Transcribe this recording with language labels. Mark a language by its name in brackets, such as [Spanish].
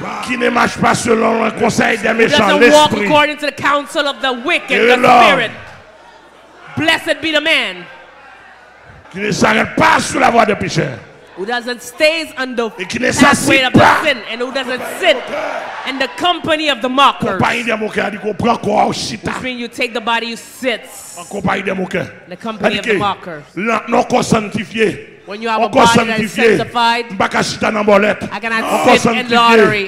[French] qui ne marche pas selon le conseil des méchants, [English] doesn't walk according to the counsel of the wicked, the spirit. Blessed be the man [French] qui ne s'arrête pas sur la voie des pécheurs, [English] who doesn't stay under the pathway of the sin, and who doesn't sit in the company of the mockers. Which means you take the body, you sit in the company of the mockers. When you have a body that is sanctified, I cannot sit in lottery.